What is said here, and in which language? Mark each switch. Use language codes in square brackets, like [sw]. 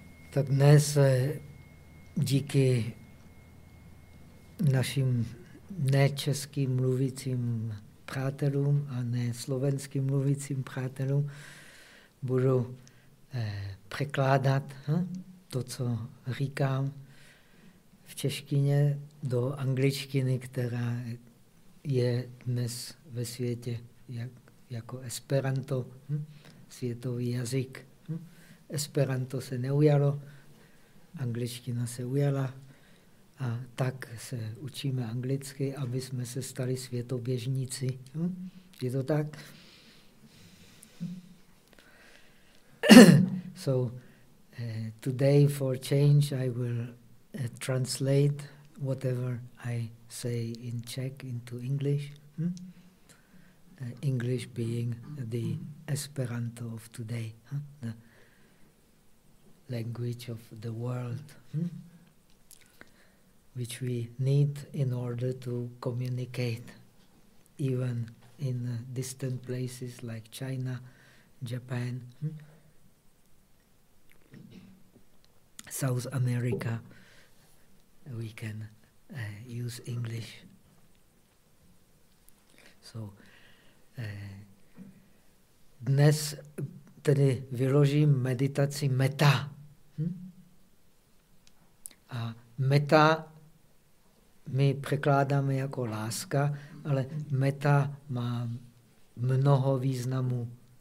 [cs] Tak dnes díky našim ne českým mluvícím přátelům a ne slovenským mluvícím přátelům budu překládat to, co říkám v češtině do angličtiny, která je dnes ve světě jako esperanto, světový jazyk. Esperanto se neujalo, angličtina se ujala a tak se učíme anglicky, aby jsme se stali světoběžníci. Je to tak? [en] So, today for change I will translate whatever I say in Czech into English. English being the Esperanto of today. The language of the world, which we need in order to communicate even in distant places like China, Japan, South America, we can use English. [cs] So, dnes tedy vyložím meditaci metta. A metta my překládáme jako láska, ale metta má mnoho významů.